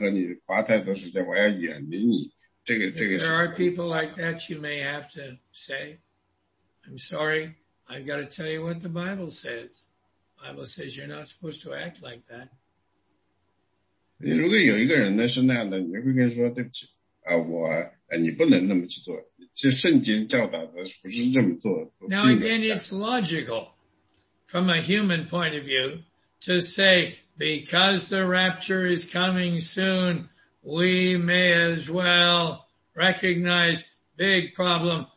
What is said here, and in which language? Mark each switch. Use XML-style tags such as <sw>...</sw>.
<zh>你这里讲到的就是说呢,你不要不按规矩而行,也不要不说所行的条例,你这么做会有什么后果呢?你的那些弟兄们就说呢,我现在我不能和你花太多时间,我要远离你,这个。</zh> <en>If there are people like that, you may have to say, I'm sorry, I've got to tell you what the Bible says. The Bible says you're not supposed to act like that.</en> <zh>如果有一个人呢,是那样的,你会跟他说对不起。</zh> <en>Now again, it's logical from a human point of view to say, because the rapture is coming soon, we may as well recognize big problem.</en>